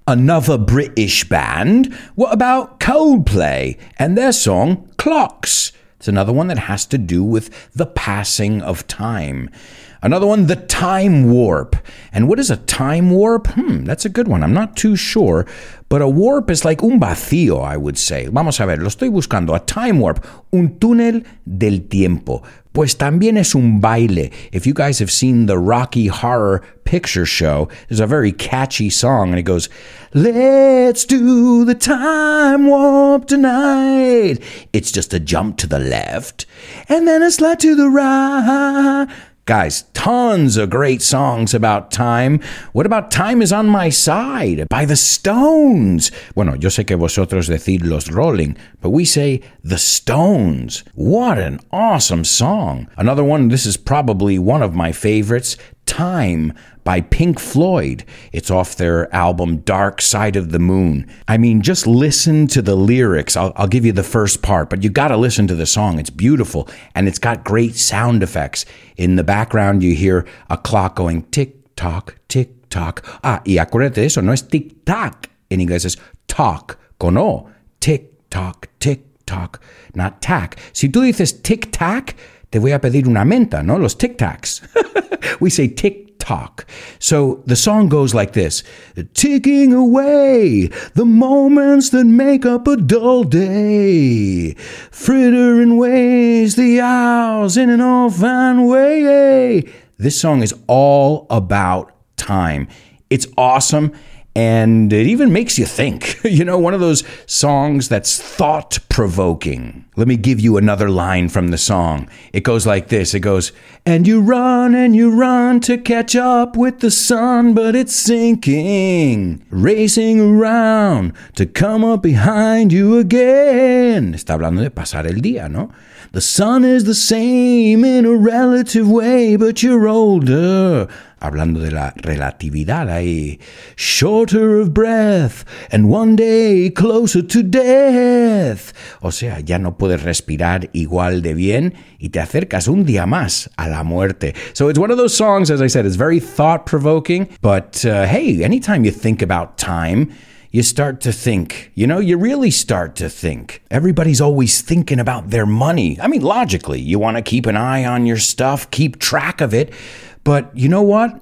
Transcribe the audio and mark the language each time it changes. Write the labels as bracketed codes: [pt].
[en] Another British band. What about Coldplay and their song, Clocks? It's another one that has to do with the passing of time. Another one, the time warp. And what is a time warp? That's a good one. I'm not too sure. But a warp is like [es] un vacío, [en] I would say. [es] Vamos a ver, lo estoy buscando. [en] A time warp, [es] un túnel del tiempo. Pues también es un baile. [en] If you guys have seen the Rocky Horror Picture Show, there's a very catchy song, and it goes, let's do the time warp tonight. It's just a jump to the left, and then a slide to the right. Guys, tons of great songs about time. What about Time Is On My Side by the Stones? [es] Bueno, yo sé que vosotros decís Los Rolling, [en] but we say the Stones. What an awesome song. Another one, this is probably one of my favorites, Time by Pink Floyd. It's off their album Dark Side of the Moon. I mean, just listen to the lyrics. I'll give you the first part, but you got to listen to the song. It's beautiful, and it's got great sound effects. In the background, you hear a clock going tick-tock, tick-tock. [es] Ah, y acuérdate eso, no es tic-tac. [en] In English, it's talk, [es] con o, [en] tick-tock, tick-tock, not tack. [es] Si tú dices tic-tac, te voy a pedir una menta, ¿no? Los tic-tacs. [en] We say tick-tock. So the song goes like this. Ticking away the moments that make up a dull day. Frittering ways the hours in an orphan way. This song is all about time. It's awesome, and it even makes you think. You know, one of those songs that's thought-provoking. Let me give you another line from the song. It goes like this. It goes, and you run to catch up with the sun, but it's sinking, racing around to come up behind you again. [es] Está hablando de pasar el día, ¿no? [en] The sun is the same in a relative way, but you're older. [es] Hablando de la relatividad ahí. [en] Shorter of breath, and one day closer to death. [es] O sea, ya no puedes respirar igual de bien, y te acercas un día más a la muerte. [en] So it's one of those songs, as I said, it's very thought-provoking. But hey, anytime you think about time, you start to think, you know, you really start to think. Everybody's always thinking about their money. I mean, logically, you want to keep an eye on your stuff, keep track of it. But you know what?